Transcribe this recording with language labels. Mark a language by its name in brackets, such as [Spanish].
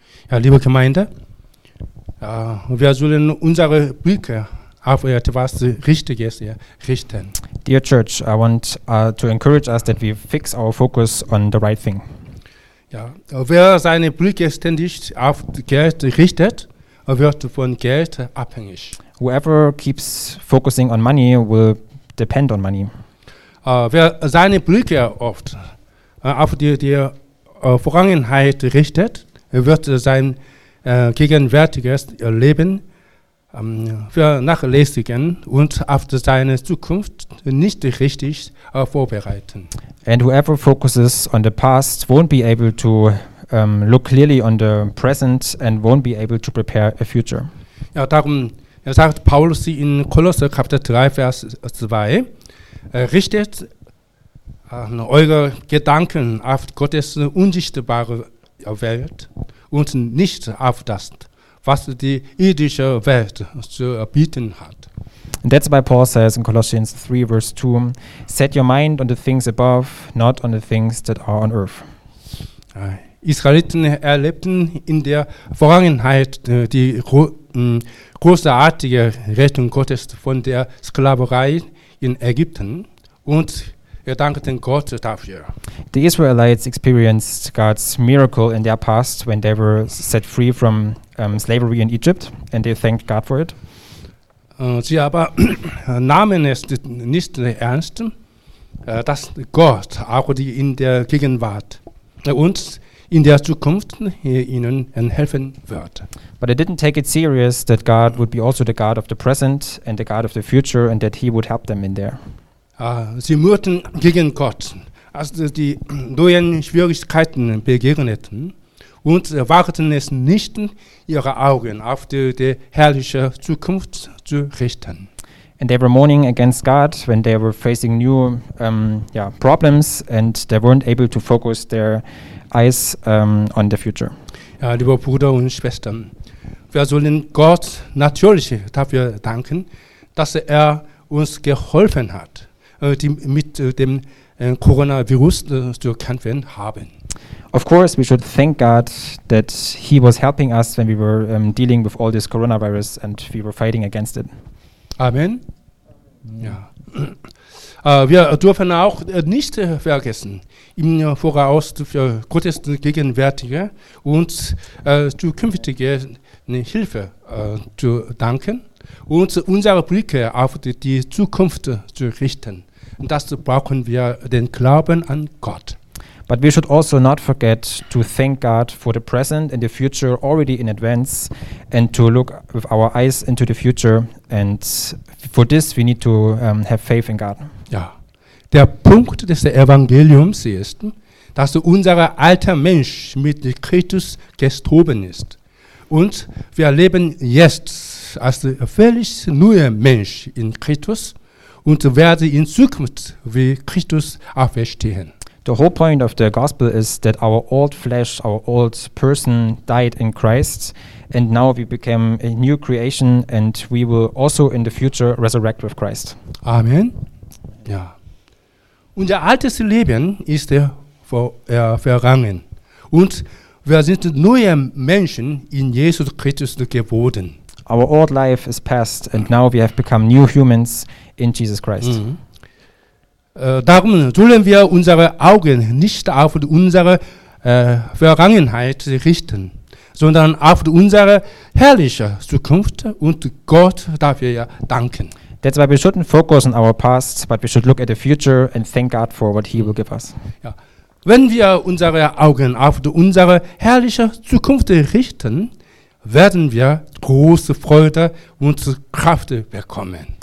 [German] Ja, liebe Gemeinde, ja, wir sollen unsere Blicke auf etwas Richtiges richten. [English] Dear Church, I want to encourage us that we fix our focus on the right thing. [German] Ja, wer seine Blicke ständig auf Geld richtet, wird von Geld abhängig. [English] Whoever keeps focusing on money will depend on money. [German] Wer seine Blicke oft auf die Vergangenheit richtet, wird sein gegenwärtiges Leben vernachlässigen und auf seine Zukunft nicht richtig vorbereiten. [English] And whoever focuses on the past won't be able to look clearly on the present and won't be able to prepare a future. [German] Ja, darum sagt Paulus in Kolosser Kapitel 3, Vers 2, richtet eure Gedanken auf Gottes unsichtbare Welt und nicht auf das, was die irdische Welt zu bieten hat. [English] And that's why Paul says in Colossians 3, verse 2, set your mind on the things above, not on the things that are on earth. [German] Israeliten erlebten in der Vergangenheit die großartige Rettung Gottes von der Sklaverei in Ägypten und wir danken Gott dafür. [English] The Israelites experienced God's miracle in their past when they were set free from slavery in Egypt and they thanked God for it. [German] Sie aber nahmen es nicht ernst, dass Gott auch die in der Gegenwart und in der Zukunft ihnen helfen wird. [English] But they didn't take it serious that God would be also the God of the present and the God of the future and that he would help them in there. [German] Sie murrten gegen Gott, als die neuen Schwierigkeiten begegneten und wagten es nicht, ihre Augen auf die herrliche Zukunft zu richten. [English] And they were mourning against God when they were facing new problems and they weren't able to focus their eyes on the future. [German] Ja, liebe Brüder und Schwestern, wir sollen Gott natürlich dafür danken, dass er uns geholfen hat, mit dem Coronavirus zu kämpfen haben. [English] Of course, we should thank God that he was helping us when we were dealing with all this coronavirus and we were fighting against it. Amen. Ja. [German] Wir dürfen auch nicht vergessen, im Voraus für Gottes gegenwärtige und zukünftige Hilfe zu danken und unsere Blicke auf die Zukunft zu richten. Und dazu brauchen wir den Glauben an Gott. [English] But we should also not forget to thank God for the present and the future already in advance and to look with our eyes into the future and for this we need to have faith in God. Ja. [German] Der Punkt des Evangeliums ist, dass unser alter Mensch mit Christus gestorben ist und wir leben jetzt als völlig neuer Mensch in Christus und werden in Zukunft wie Christus auferstehen. [English] The whole point of the gospel is that our old flesh, our old person died in Christ and now we became a new creation and we will also in the future resurrect with Christ. Amen. Ja. [German] Unser altes Leben ist vergangen und wir sind neue Menschen in Jesus Christus geworden. [English] Our old life is past and now we have become new humans in Jesus Christ. Mm-hmm. [German] Darum sollen wir unsere Augen nicht auf unsere Vergangenheit richten, sondern auf unsere herrliche Zukunft und Gott dafür danken. [English] That's why we shouldn't focus on our past, but we should look at the future and thank God for what he will give us. Ja. [German] Wenn wir unsere Augen auf unsere herrliche Zukunft richten, werden wir große Freude und Kraft bekommen.